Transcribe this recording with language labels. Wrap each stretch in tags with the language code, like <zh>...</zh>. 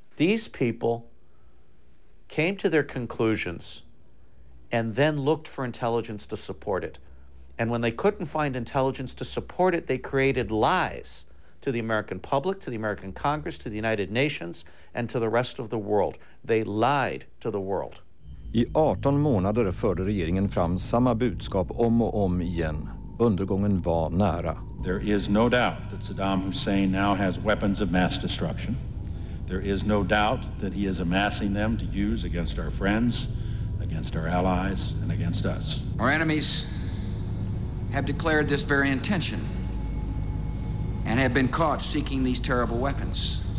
<en>These people came to their conclusions and then looked for intelligence to support it. And when they couldn't find intelligence to support it, they created lies to the American public, to the American Congress, to the United Nations, and to the rest of the world. They lied to the world.</en> <sv>I 18 månader förde regeringen fram samma budskap om och om igen. Undergången var nära.</sv> <en>There is no doubt that Saddam Hussein now has weapons of mass destruction. There is no doubt that he is amassing them to use against our friends, against our allies, and against us. Our enemies have declared this very intention and have been caught seeking these terrible weapons.</en>